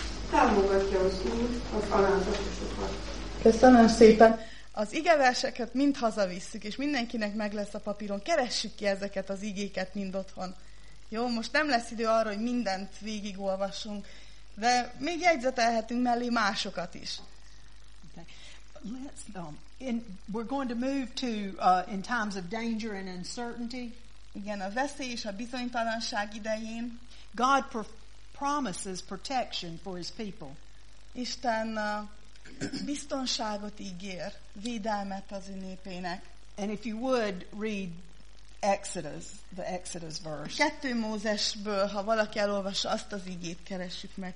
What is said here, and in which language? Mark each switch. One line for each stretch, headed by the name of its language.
Hungarian: Támogatja az Úr az alázatosokat. Köszönöm szépen! Az igeverseket mind hazavisszük, és mindenkinek meg lesz a papíron. Keressük ki ezeket az igéket mind otthon. Jó, most nem lesz idő arra, hogy mindent végigolvassunk, de még jegyzetelhetünk mellé másokat is.
English: Let's we're going to move to in times of danger and uncertainty.
Hungarian: Igen, a veszély és a bizonytalanság idején
English: God promises protection for his people.
Hungarian: Isten biztonságot ígér, védelmet az ő népének.
English: And if you would read Exodus, the Exodus verse.
Hungarian: Kettő Mózesből, ha valaki elolvassa, azt az igét keressük meg.